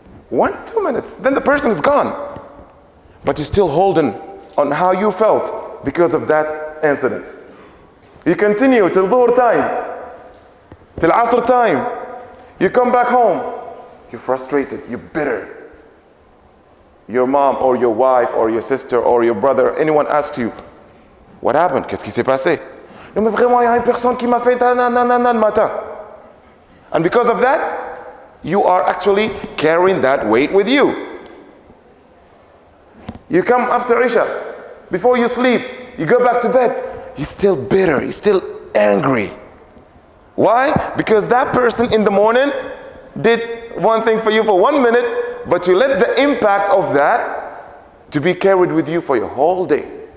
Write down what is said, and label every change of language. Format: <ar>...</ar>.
<en>1, 2 minutes, then the person is gone. But you're still holding on how you felt because of that incident. You continue till dhuhr time, till asr time. You come back home, you're frustrated, you're bitter. Your mom or your wife or your sister or your brother, anyone asks you, what happened?</en> <fr>Qu'est-ce qui s'est passé? Non mais vraiment, il y a une personne qui m'a fait nanana le matin.</fr> <en>And because of that, you are actually carrying that weight with you. You come after Isha, before you sleep, you go back to bed, you're still bitter, you're still angry. Why? Because that person in the morning did one thing for you for 1 minute, but you let the impact of that to be carried with you for your whole day.</en>